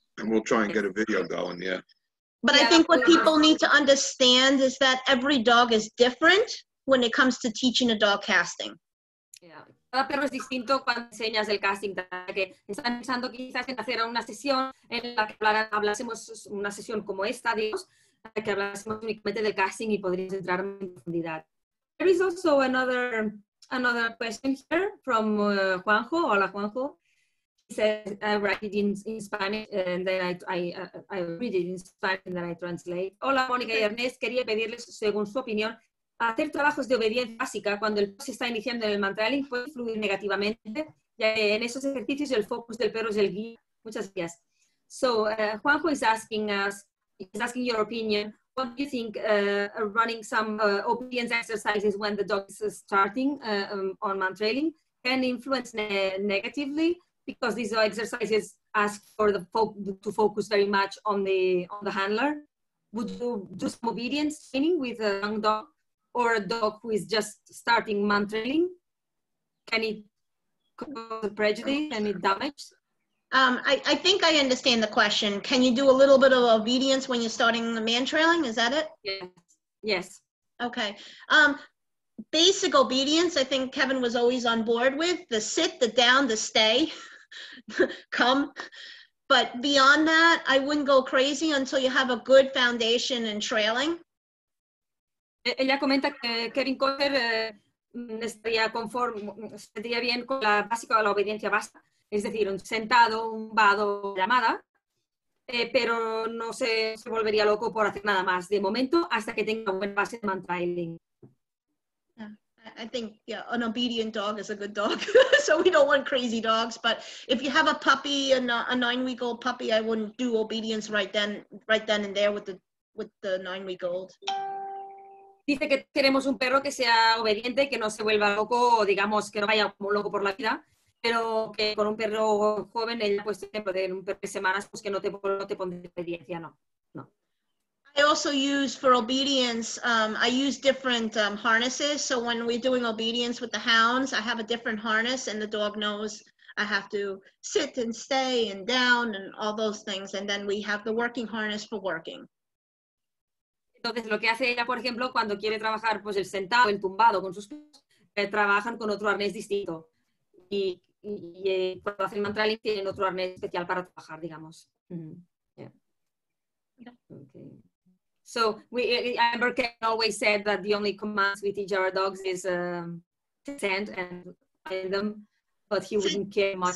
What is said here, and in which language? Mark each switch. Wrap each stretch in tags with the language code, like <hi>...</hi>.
<en>And we'll try and get a video going, yeah. But yeah, I think what people need to understand is that every dog is different when it comes to teaching a dog casting. Yeah.</en> <es>Cada perro es distinto cuando enseñas el casting. Están pensando quizás en hacer una sesión en la que hablásemos una sesión como esta, digamos, que hablásemos únicamente del casting y podríamos entrar en profundidad.</es> <en>There is also another question here from Juanjo.</en> <es>Hola, Juanjo.</es> <en>He says, I write it in Spanish, and then I read it in Spanish, and then I translate.</en> <es>Hola, Mónica y Ernest. Quería pedirles, según su opinión, hacer trabajos de obediencia básica cuando el perro se está iniciando en el mantraling puede influir negativamente, ya que en esos ejercicios el focus del perro es el guía. Muchas gracias.</es> <en>So, Juanjo is asking us, he's asking your opinion, what do you think running some obedience exercises when the dog is starting on mantraling can influence negatively? Because these exercises ask for the to focus very much on the handler. Would you do some obedience training with a young dog or a dog who is just starting mantrailing? Can it cause prejudice and it damage? I think I understand the question. Can you do a little bit of obedience when you're starting the mantrailing? Is that it? Yes. Okay. Basic obedience, I think Kevin was always on board with the sit, the down, the stay. Come, but beyond that, I wouldn't go crazy until you have a good foundation in trailing.</en> <es>Ella comenta que Kevin Cotter estaría conforme, estaría bien con la básica de la obediencia básica, es decir, un sentado, un vado, llamada, pero no se volvería loco por hacer nada más de momento hasta que tenga un buen base de mantrailing.</es> <en>I think, yeah, an obedient dog is a good dog. So we don't want crazy dogs. But if you have a puppy, a 9-week-old puppy, I wouldn't do obedience right then and there with the 9-week-old.</en> <es>Dice que queremos un perro que sea obediente, que no se vuelva loco, o digamos que no vaya como loco por la vida. Pero que con un perro joven, él ha puesto ejemplo de un perro de semanas, pues que no te pondré obediencia, no.</es> <en>I also use for obedience, I use different harnesses. So when we're doing obedience with the hounds, I have a different harness and the dog knows I have to sit and stay and down and all those things. And then we have the working harness for working.</en> <es>Entonces lo que hace ella, por ejemplo, cuando quiere trabajar pues el sentado, el tumbado con sus perros, trabajan con otro arnés distinto. Y cuando hacen mantrailing tienen otro arnés especial para trabajar, digamos.</es> <en>Mm-hmm. Yeah. Okay. So Amber Kevin always said that the only commands we teach our dogs is send and find them, but he wouldn't care much</en>